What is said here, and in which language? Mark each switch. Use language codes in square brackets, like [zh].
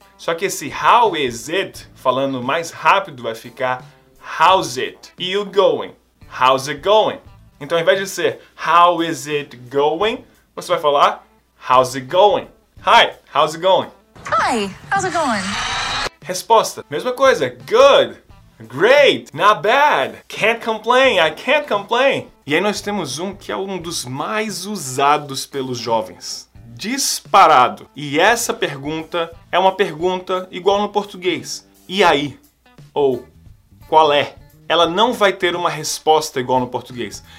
[pt] Só que esse [en] how is it, [pt] falando mais rápido, vai ficar how's it? E o going? [en] How's it going? [pt] Então, ao invés de ser [en] how is it going, [pt] você vai falar [en] how's it going? Hi, how's it going? Hi, how's it going? [pt] Resposta, mesma coisa, good. [en] Great, not bad, can't complain, I can't complain. [pt] E aí nós temos um que é um dos mais usados pelos jovens. Disparado. E essa pergunta é uma pergunta igual no português. E aí? Ou qual é? Ela não vai ter uma resposta igual no português.